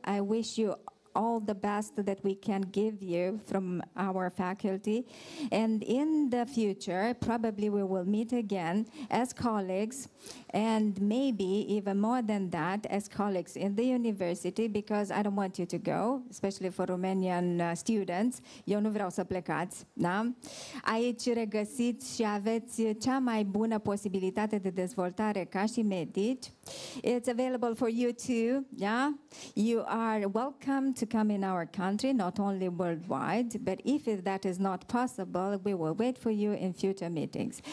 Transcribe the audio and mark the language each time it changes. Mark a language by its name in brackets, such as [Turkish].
[English] I wish you all the best that we can give you from our faculty. And in the future, probably we will meet again as colleagues, and maybe even more than that, as colleagues in the university, because I don't want you to go, especially for Romanian students. [Romanian] Eu nu vreau să plecați, da? Aici regăsiți și aveți cea mai bună posibilitate de dezvoltare ca și medici. [English] It's available for you too, yeah? You are welcome to come in our country, not only worldwide, but if that is not possible, we will wait for you in future meetings.